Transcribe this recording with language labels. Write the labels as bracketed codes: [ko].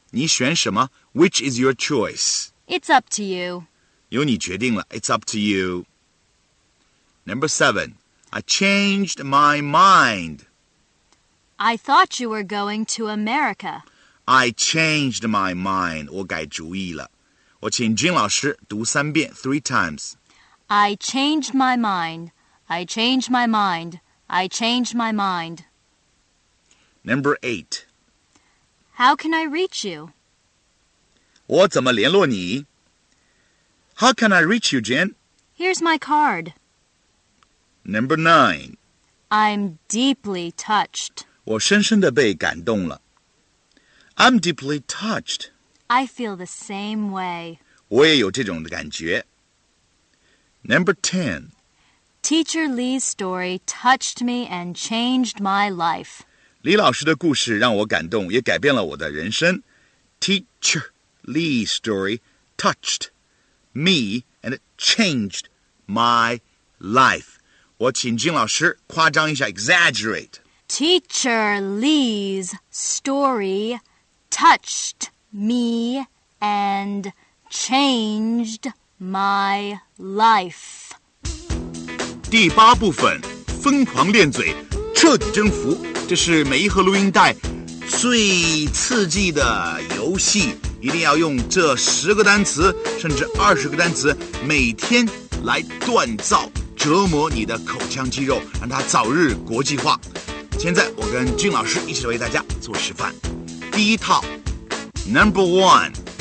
[zh] 你选什么? [en] Which is your choice? It's up to you. [zh] 由你决定了, [en] it's up to you. Number 7. I changed my mind. I thought you were going to America. I changed my mind. [zh] 我改主意了. 我请金老师读三遍, [en] three times. I changed my mind. I changed my mind. I changed my mind. Number 8. How can I reach you? [zh] 我怎么联络你? [en] How can I reach you, Jen? Here's my card. Number 9. I'm deeply touched. [zh] 我深深地被感动了. [en] I'm deeply touched. I feel the same way. [zh] 我也有这种感觉. [en] Number 10. Teacher Lee's story touched me and changed my life. [zh] 李老师的故事让我感动,也改变了我的人生. [en] Teacher Lee's story touched me and changed my life. [zh] 我请金老师夸张一下, exaggerate. [en] Teacher Lee's story touched me and changed my life. [zh] 第八部分,疯狂练嘴,彻底征服。这是每一盒录音带最刺激的游戏，一定要用这十个单词甚至二十个单词每天来锻造折磨你的口腔肌肉，让它早日国际化。现在我跟俊老师一起为大家做示范。第一套 [en] Number one